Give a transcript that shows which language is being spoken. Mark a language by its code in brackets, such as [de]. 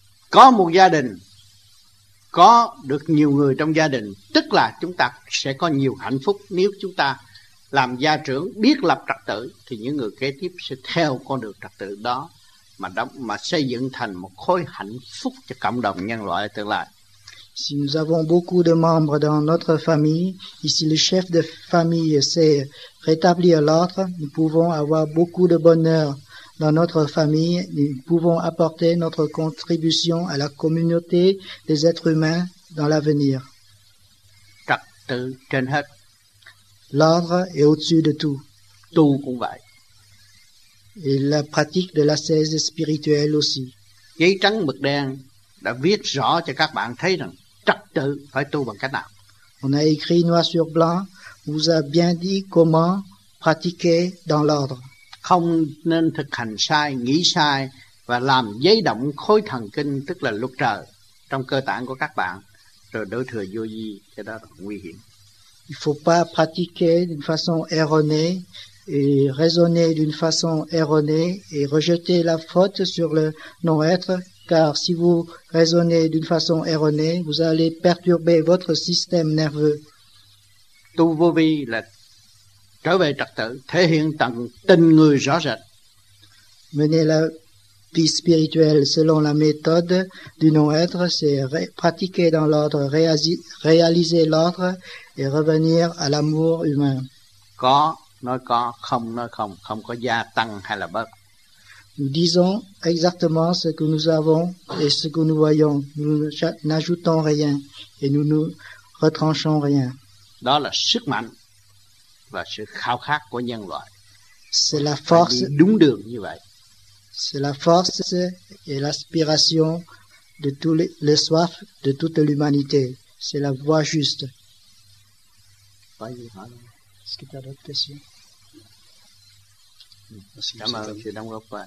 [vi] Có một gia đình có được nhiều người trong gia đình, tức là chúng ta sẽ có nhiều hạnh phúc. Nếu chúng ta làm gia trưởng biết lập trật tự thì những người kế tiếp sẽ theo con đường trật tự đó mà xây dựng thành một khối hạnh phúc cho cộng đồng nhân loại tương lai. [fr] Si nous avons beaucoup de membres dans notre famille, et si le chef de famille sait rétablir l'ordre, nous pouvons avoir beaucoup de bonheur dans notre famille, nous pouvons apporter notre contribution à la communauté des êtres humains dans l'avenir. [vi] Trật tự trên hết. [fr] L'ordre est au-dessus de tout. Tout [vi] cũng vậy. [fr] Et la pratique de l'ascèse spirituelle aussi. [vi] Giấy trắng mực đen đã viết rõ cho các bạn thấy rằng trật tự phải tu bằng cách nào. [fr] On a écrit noir sur blanc, vous a bien dit comment pratiquer dans l'ordre. [vi] Không nên thực hành sai, nghĩ sai và làm dấy động khối thần kinh, tức là luật trời trong cơ tạng của các bạn, rồi đổ thừa vô vi, cái đó là nguy hiểm. [fr] Il faut pas pratiquer d'une façon erronée et raisonner d'une façon erronée et rejeter la faute sur le non-être, car si vous raisonnez d'une façon erronée, vous allez perturber votre système nerveux. [vi] Tu vô vi là trở về trật tự, thể hiện tận tình người rõ rệt. [fr] Mener la vie spirituelle selon la méthode du non-être, c'est pratiquer dans l'ordre, réaliser l'ordre et revenir à l'amour humain. [vi] Có, nói không, không có gia tăng hay là bớt. [fr] Nous disons exactement ce que nous avons et ce que nous voyons. Nous n'ajoutons rien et nous ne retranchons rien. [vi] Đó là sức mạnh và sự khao khát của nhân loại. [fr] C'est la force, [vi] đúng đường như vậy. [fr] C'est la force et l'aspiration de tous les soif de toute l'humanité. C'est la voie juste. Vas-y, est-ce que tu as d'autres questions? Merci, [vi] cảm ơn sự đóng góp.